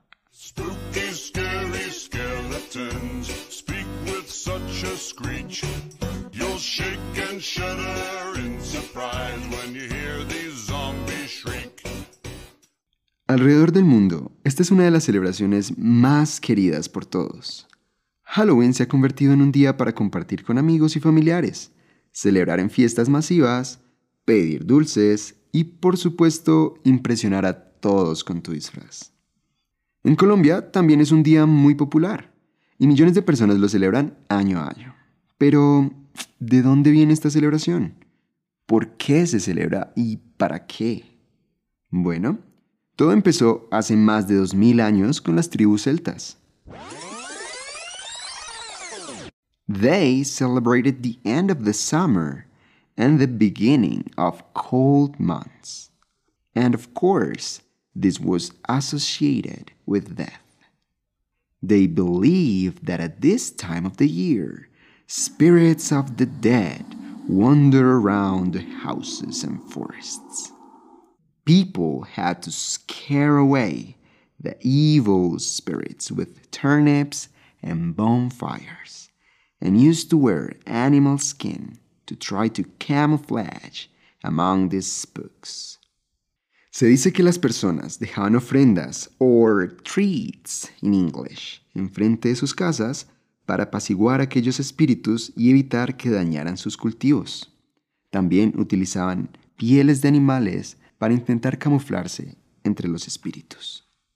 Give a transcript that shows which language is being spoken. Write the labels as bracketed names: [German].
[English] Spooky, scary skeletons speak with such a screech. You'll shake and shudder in surprise when you hear these zombies shriek. [Spanish] Alrededor del mundo, esta es una de las celebraciones más queridas por todos. Hallowen se ha convertido en un día para compartir con amigos y familiares, celebrar en fiestas masivas, pedir dulces y, por supuesto, impresionar a todos con tu disfraz. En Colombia también es un día muy popular y millones de personas lo celebran año a año. Pero, ¿de dónde viene esta celebración? ¿Por qué se celebra y para qué? Bueno, todo empezó hace más de 2000 años con las tribus celtas. [English] They celebrated the end of the summer and the beginning of cold months. And of course, this was associated with death. They believed that at this time of the year, spirits of the dead wander around the houses and forests. People had to scare away the evil spirits with turnips and bonfires, and used to wear animal skin to try to camouflage among these spooks. [Spanish] Se dice que las personas dejaban ofrendas, [English] or treats in English, [Spanish] en frente de sus casas para apaciguar aquellos espíritus y evitar que dañaran sus cultivos. También utilizaban pieles de animales para intentar camuflarse entre los espíritus.